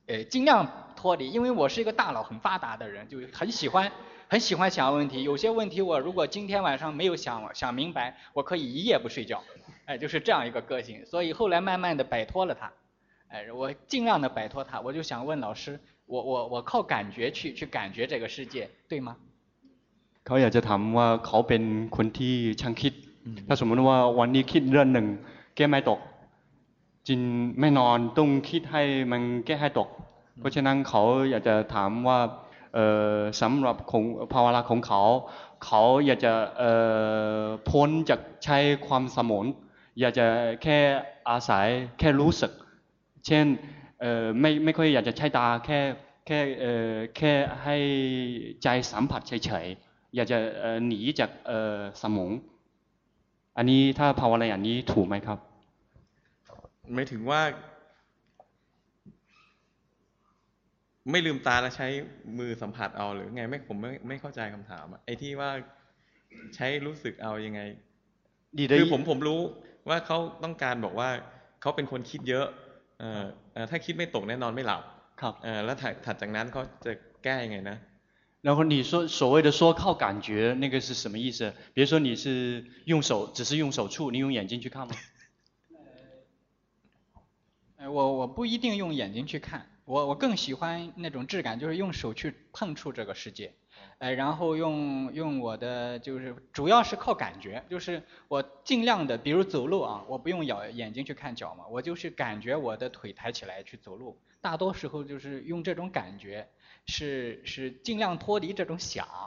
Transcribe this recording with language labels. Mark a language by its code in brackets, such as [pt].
[zh] 尽量脱离因为我是一个大脑很发达的人就很喜欢想问题有些问题我如果今天晚上没有想明白我可以一夜不睡觉就是这样一个个性所以后来慢慢的摆脱了它我尽量的摆脱它我就想问老师我靠感觉去感觉这个世界对吗 [th] เขาอยากจะถามว่าเขาเป็นคนที่ช่างคิดถ้าสมมติว่าวันนี้คิดเรื่องหนึ่งแก้ไม่ตกจินไม่นอนต้องคิดให้มันแก้ให้ตกเพราะฉะนั้นเขาอยากจะถามว่าสำหรับของภาวนาของเขาอยากจะ พ้นจากใช้ความสมองอยากจะแค่อาศัยแค่รู้สึกเช่นไม่ค่อยอยากจะใช้ตาแค่ให้ใจสัมผัสเฉยๆอยากจะหนีจากสมองอันนี้ถ้าภาวนาอย่างนี้ถูกไหมครับ ไม่ถึงว่าไม่ลืมตาแล้วใช้มือสัมผัสเอาหรือไงไม่เข้าใจคำถามไอ้ที่ว่าใช้รู้สึกเอายังไง ดี คือผมรู้ว่าเขาต้องการบอกว่าเขาเป็นคนคิดเยอะถ้าคิดไม่ตกแน่นอนไม่หลับ ครับ แล้วถัดจากนั้นเขาจะแก้ยังไงนะ [zh] 然后你说所谓的说靠感觉那个是什么意思比如说你是用手只是用手触你用眼睛去看吗我不一定用眼睛去看我更喜欢那种质感就是用手去碰触这个世界然后用我的就是主要是靠感觉就是我尽量的比如走路啊我不用眼睛去看脚嘛我就是感觉我的腿抬起来去走路大多时候就是用这种感觉是尽量脱离这种想